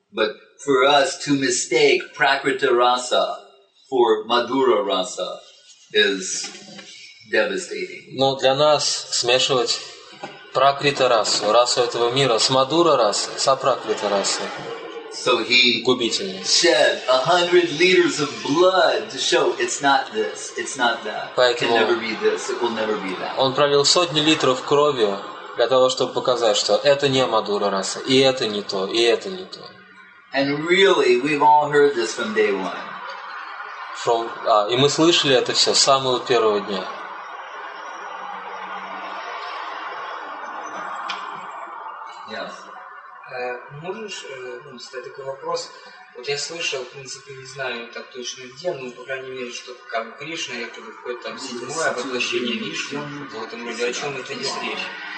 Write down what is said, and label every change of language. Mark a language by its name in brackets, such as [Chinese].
[English] But for us to mistake Prakriti rasa for Madhura rasa is devastating. [Russian] Но для нас смешивать Пракрита расу, расу этого мира, с Мадура расой, с Апракрита расой, [English] so he [Russian] губительно. [English] Shed 100 liters of blood to show it's not this, it's not that. [Russian] Поэтому [English] it can never be this, it will never be that. [Russian] Он пролил сотни литров крови для того, чтобы показать, что это не Мадура раса, и это не то, и это не то. [English] And really, we've all heard this from day one. [Russian] И мы слышали это все с самого первого дня. Ясно. Можешь задать такой вопрос? Вот я слышал, в принципе, не знаю так точно где, но, по крайней мере, что как Кришна, якобы входит там седьмое воплощение Вишну, в этом роде, о чем это здесь речь?